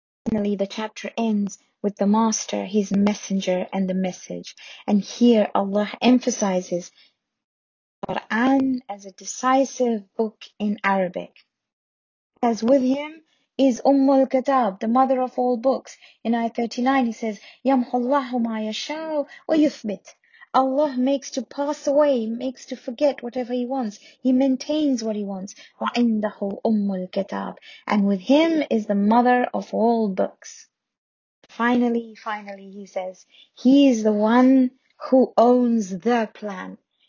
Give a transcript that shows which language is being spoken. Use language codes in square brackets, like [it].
[en] Finally, the chapter ends with the master, his messenger, and the message. And here Allah emphasizes Quran as a decisive book in Arabic. As with him is Ummul Kitab, the mother of all books. In Ayah 39, he says, [ar] يَمْحُ اللَّهُ مَا يَشَاءُ وَيُثْبِتُ. [en] Allah makes to pass away, makes to forget whatever He wants. He maintains what He wants. [ar] وَعِنْدَهُ أُمُّ الْكِتَابِ. [en] And with Him is the mother of all books. Finally, he says, He is the one who owns the plan.